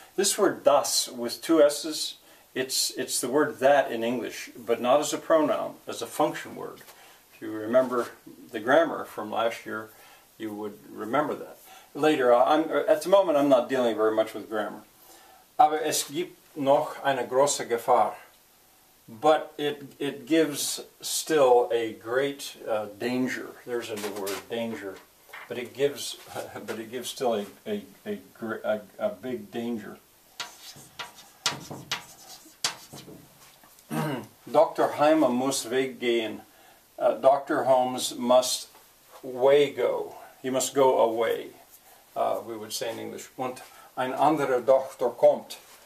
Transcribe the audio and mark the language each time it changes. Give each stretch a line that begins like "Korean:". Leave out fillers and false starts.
English: This word das with two S's, it's the word that in English, but not as a pronoun, as a function word. If you remember the grammar from last year, you would remember that. Later, at the moment I'm not dealing very much with grammar.
German: Aber es gibt noch eine große Gefahr.
English: But it gives still a great danger. There's a new word, danger. But it gives still a big danger.
German: Dr. Heimer muss weggehen. Dr.
English: Holmes must way go. He must go away, we would say in English.
German: Und ein anderer Doktor kommt.